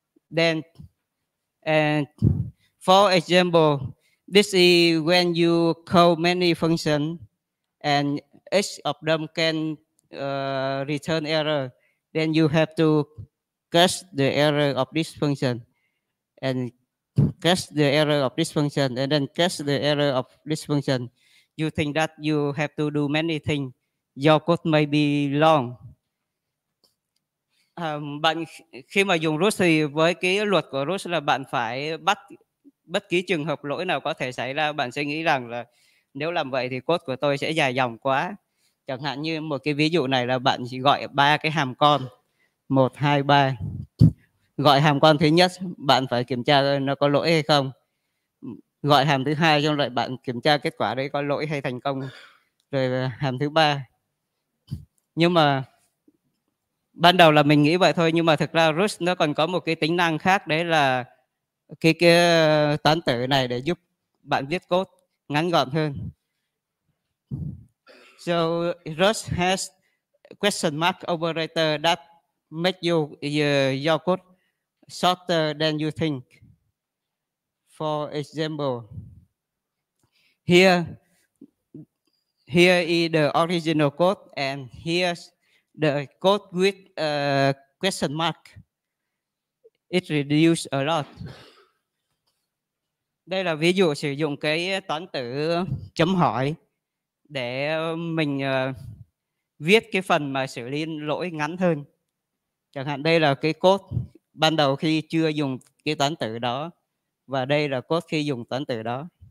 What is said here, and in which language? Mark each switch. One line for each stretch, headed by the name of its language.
English: Then, and for example, this is when you call many functions and each of them can return error, then you have to catch the error of this function and catch the error of this function and then catch the error of this function. You think that you have to do many things. Your code may be long.
Vietnamese: Bạn khi mà dùng Rust thì với cái luật của Rust là bạn phải bắt bất kỳ trường hợp lỗi nào có thể xảy ra, bạn sẽ nghĩ rằng là nếu làm vậy thì code của tôi sẽ dài dòng quá. Chẳng hạn như một cái ví dụ này là bạn chỉ gọi ba cái hàm con 1, 2, 3. Gọi hàm con thứ nhất, bạn phải kiểm tra nó có lỗi hay không. Gọi hàm thứ hai, trong lại bạn kiểm tra kết quả đấy có lỗi hay thành công. Rồi hàm thứ ba. Nhưng mà ban đầu là mình nghĩ vậy thôi, nhưng mà thực ra Rust nó còn có một cái tính năng khác, đấy là cái toán tử này để giúp bạn viết code ngắn gọn hơn.
English: So Rust has question mark operator that make you your code shorter than you think. For example, here is the original code and here's the code with a question mark. It reduced a lot.
Vietnamese: Đây là ví dụ sử dụng cái toán tử chấm hỏi để mình viết cái phần mà xử lý lỗi ngắn hơn. Chẳng hạn đây là cái code ban đầu khi chưa dùng cái toán tử đó, và đây là code khi dùng toán tử đó.